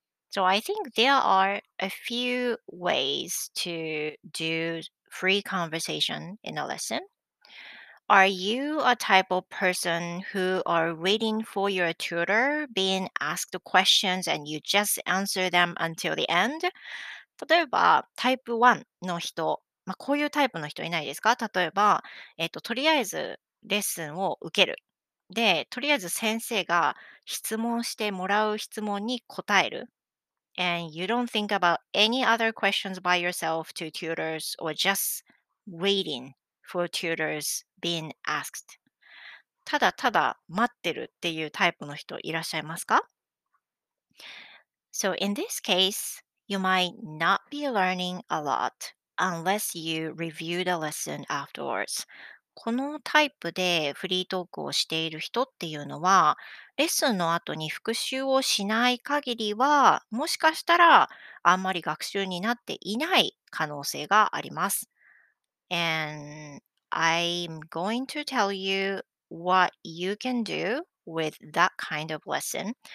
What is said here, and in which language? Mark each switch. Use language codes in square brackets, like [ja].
[en] So I think there are a few ways to do free conversation in a lesson. Are you a type of person who are waiting for your tutor being asked questions and you just answer them until the end? [ja] 例えばタイプ1の人、まあ、こういうタイプの人いないですか? 例えば、とりあえずレッスンを受ける。で、とりあえず先生が質問してもらう質問に答える。 [en] And you don't think about any other questions by yourself to tutors or just waiting for tutors being asked. [ja] ただただ待ってるっていうタイプの人いらっしゃいますか? [en] So in this case, you might not be learning a lot unless you review the lesson afterwards. [ja] このタイプでフリートークをしている人っていうのは、レッスンの後に復習をしない限りは、もしかしたらあんまり学習になっていない可能性があります。 [en] And I'm going to tell you what you can do with that kind of lesson.